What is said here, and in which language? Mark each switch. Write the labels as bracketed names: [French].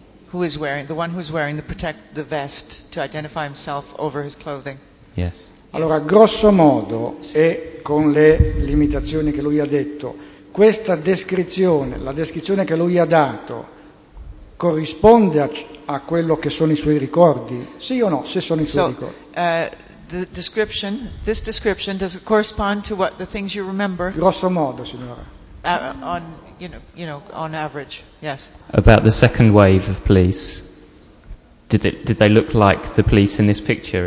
[English] Who is wearing the one who's wearing the protect the vest to identify himself over his clothing? Yes. [Italian] Allora, grosso modo, e con le limitazioni che lui ha detto, questa descrizione, la descrizione che lui ha dato, corrisponde a quello che sono i suoi ricordi? Sì o no? Se sono i suoi ricordi. [English] This description does it correspond to what the things you remember? [Italian] Grosso modo, signora. [English] On average, yes. About the second wave of police, did they look like the police in this picture?